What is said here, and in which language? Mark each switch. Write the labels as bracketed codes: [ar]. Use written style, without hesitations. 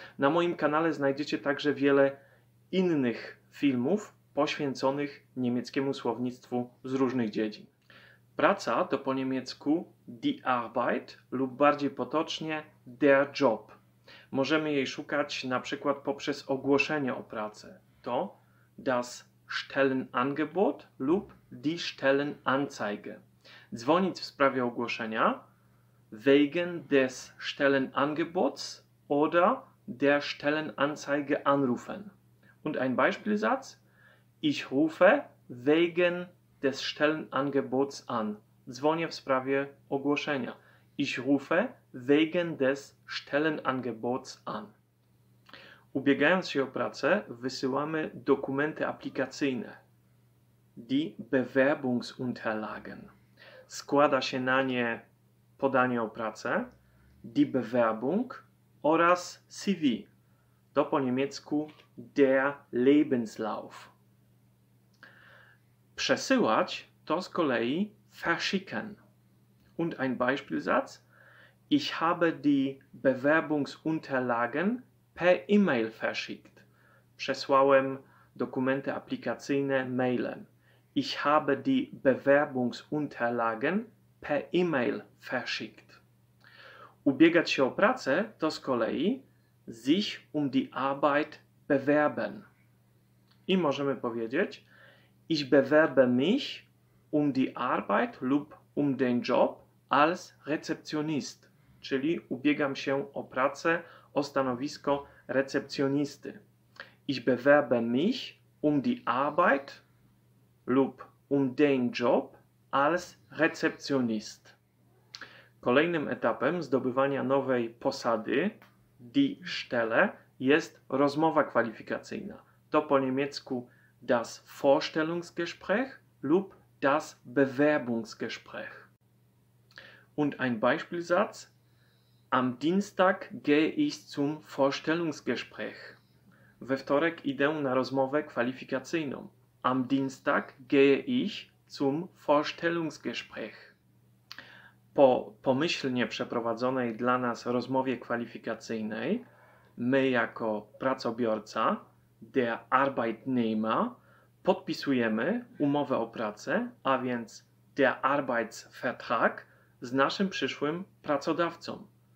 [pl] Na moim kanale znajdziecie także wiele innych filmów poświęconych niemieckiemu słownictwu z różnych dziedzin. Praca to po niemiecku die Arbeit lub bardziej potocznie der Job. Możemy jej szukać na przykład poprzez ogłoszenie o pracę. To das Stellenangebot lub die Stellenanzeige. Dzwonić w sprawie ogłoszenia [de] wegen des Stellenangebots oder der Stellenanzeige anrufen. Und ein Beispielsatz: Ich rufe wegen des Stellenangebots an. [pl] Dzwonię w sprawie ogłoszenia. [de] Ich rufe wegen des Stellenangebots an. [pl] Ubiegając się o pracę, wysyłamy dokumenty aplikacyjne. [de] Die Bewerbungsunterlagen. [pl] Składa się na nie podanie o pracę. Die Bewerbung oraz CV. To po niemiecku der Lebenslauf. Przesyłać to z kolei verschicken. [de] Und ein Beispielsatz. Ich habe die Bewerbungsunterlagen per e-mail verschickt. [pl] Przesłałem dokumenty aplikacyjne mailem. [de] Ich habe die Bewerbungsunterlagen per e-mail verschickt. [pl] Ubiegać się o pracę to z kolei [de] sich um die Arbeit bewerben. [pl] I możemy powiedzieć [de] ich bewerbe mich um die Arbeit lub um den Job als Rezeptionist. [pl] Czyli ubiegam się o pracę, o stanowisko recepcjonisty. [de] Ich bewerbe mich um die Arbeit lub um den Job als Rezeptionist. [pl] Kolejnym etapem zdobywania nowej posady, die Stelle, jest rozmowa kwalifikacyjna. To po niemiecku das Vorstellungsgespräch lub das Bewerbungsgespräch. [de] Und ein Beispielsatz: Am Dienstag gehe ich zum Vorstellungsgespräch. [pl] We wtorek idę na rozmowę kwalifikacyjną. [de] Am Dienstag gehe ich zum Vorstellungsgespräch. [pl] Po pomyślnie przeprowadzonej dla nas rozmowie kwalifikacyjnej, my jako pracobiorca, der Arbeitnehmer, podpisujemy umowę o pracę, a więc der Arbeitsvertrag, z naszym przyszłym pracodawcą.